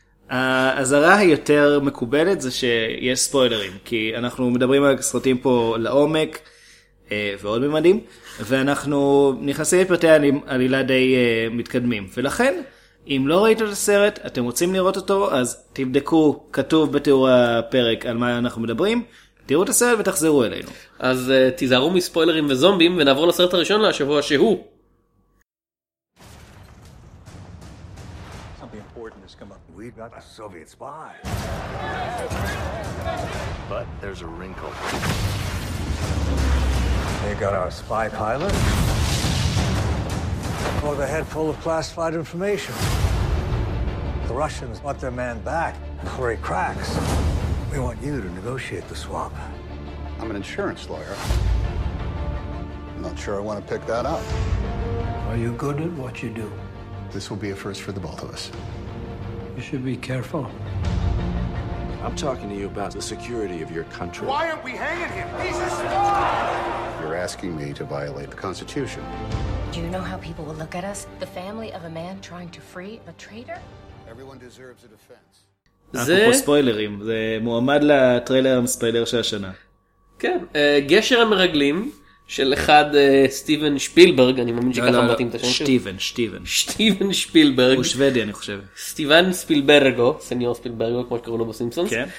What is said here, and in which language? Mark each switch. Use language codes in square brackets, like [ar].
[he] הזרה היותר מקובלת זה שיש ספוילרים, כי אנחנו מדברים על סרטים פה לעומק, ועוד ממדים, ואנחנו נכנסים לפרטי עלילה די מתקדמים. ולכן, אם לא ראיתם את הסרט, אתם רוצים לראות אותו, אז תבדקו, כתוב בתיאור הפרק על מה אנחנו מדברים, תראו את הסרט ותחזרו אלינו. אז תיזהרו מספוילרים וזומבים ונעבור לסרט הראשון לשבוע שהוא. [en] Something important has come up. We've got a Soviet spy. But there's a wrinkle. They got our spy pilot. Or the head full of classified information. The Russians want their man back before he cracks. We want you to negotiate the swap. I'm an insurance lawyer. I'm not sure I want to pick that up. Are you good at what you do? This will be a first for the both of us. You should be careful. I'm talking to you about the security of your country. Why aren't we hanging him? He's a spy! You're asking me to violate the Constitution. Do you know how people will look at us? The family of a man trying to free a traitor? Everyone deserves a defense. [he] זה פה ספוילרים, זה מועמד לטריילר המספיילר של השנה. כן, גשר המרגלים של אחד סטיבן שפילברג, אני מאמין שככה מבטאים את השם. שטיבן שפילברג. הוא שוודי אני חושב. סטיבן ספילברגו, סניור ספילברגו כמו שקראו לו בסימפסונס.